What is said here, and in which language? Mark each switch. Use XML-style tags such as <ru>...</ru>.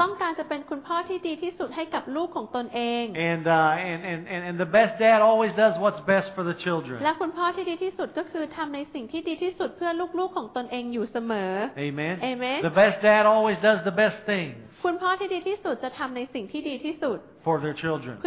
<th>ต้องการจะเป็นคุณพ่อที่ดีที่สุดให้กับลูกของตนเอง</th> <en>And the best dad always does what's best for the children.</en> <th>และคุณพ่อที่ดีที่สุดก็คือทำในสิ่งที่ดีที่สุดเพื่อลูกๆของตนเองอยู่เสมอ</th> <en>Amen. Amen. The best dad always does the best thing.</en> <th>คุณพ่อที่ดีที่สุดจะทำในสิ่งที่ดีที่สุดเพ</th>